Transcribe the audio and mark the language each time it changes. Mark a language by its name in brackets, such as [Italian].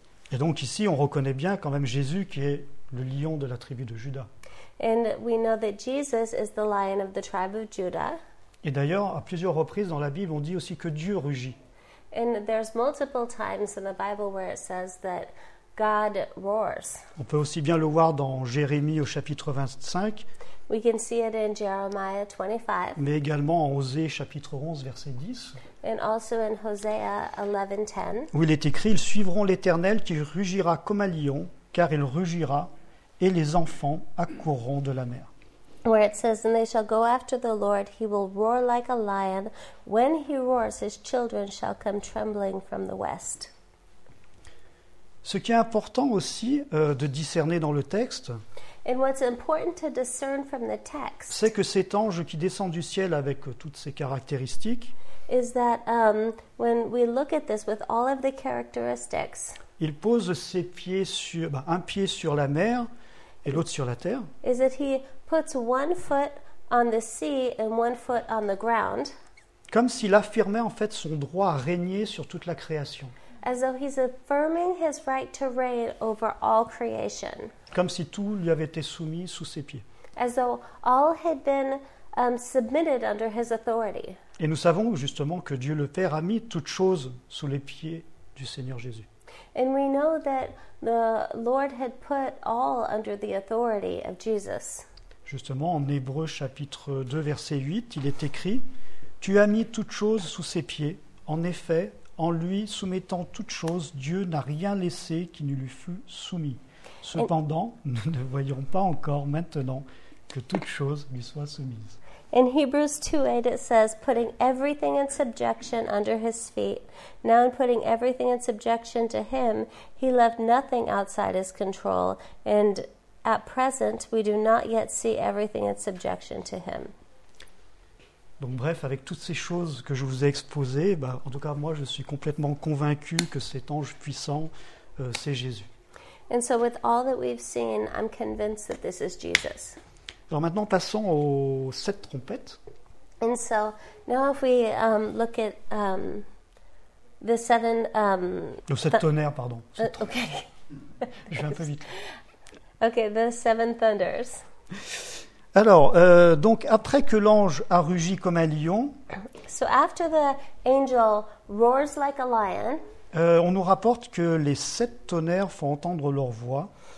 [French] Et donc ici on reconnaît bien quand même Jésus qui est le lion de la tribu de Juda. [English] And we know that Jesus is the lion of the tribe of Judah. [French] Et d'ailleurs à plusieurs reprises dans la Bible on dit aussi que Dieu rugit. [English] And there's multiple times in the Bible where it says that God roars. [French] On peut aussi bien le voir dans Jérémie au chapitre 25. [English] We can see it in Jeremiah 25. [French] Mais également en Osée chapitre 11 verset 10. [English] And also in Hosea 11:10. [French] Où il est écrit, ils suivront l'Éternel qui rugira comme un lion, car il rugira et les enfants accourront de la mer. [English] Where it says, and they shall go after the Lord, he will roar like a lion, when he roars his children shall come trembling from the west. [French] Ce qui est important aussi de discerner dans le texte, [English] and what's important to discern from the text, [French] c'est que cet ange qui descend du ciel avec toutes ses caractéristiques, [English] is that when we look at this with all of the characteristics, [French] il pose ses pieds sur un pied sur la mer et l'autre sur la terre, [English] is that he puts one foot on the sea and one foot on the ground, [French] comme s'il affirmait en fait son droit à régner sur toute la création. [English] As though he's affirming his right to reign over all creation. [French] Comme si tout lui avait été soumis sous ses pieds. [English] As though all had been submitted under his authority. [French] Et nous savons justement que Dieu le Père a mis toutes choses sous les pieds du Seigneur Jésus. [English] And we know that the Lord had put all under the authority of Jesus. [French] Justement, en Hébreux chapitre 2, verset 8, il est écrit, « Tu as mis toutes choses sous ses pieds, en effet, en lui soumettant toutes choses, Dieu n'a rien laissé qui ne lui fût soumis. Cependant, nous ne voyons pas encore maintenant que toutes choses lui soient soumises. » [English] In Hebrews 2:8, it says, putting everything in subjection under his feet. Now in putting everything in subjection to him, he left nothing outside his control. And at present, we do not yet see everything in subjection to him. [French] Donc bref, avec toutes ces choses que je vous ai exposées, en tout cas moi je suis complètement convaincu que cet ange puissant, c'est Jésus. [English] And so with all that we've seen, I'm convinced that this is Jesus. [French] Alors maintenant passons aux sept trompettes. [English] And so now if we look at the seven [French] Le sept tonnerres, pardon. [English] Okay. [French] Je vais un peu vite. [English] Okay, the seven thunders. [French] Alors, donc après que l'ange a rugi comme un lion, [English] so after the angel roars like a lion, [French] on nous rapporte que les sept tonnerres font entendre leur voix.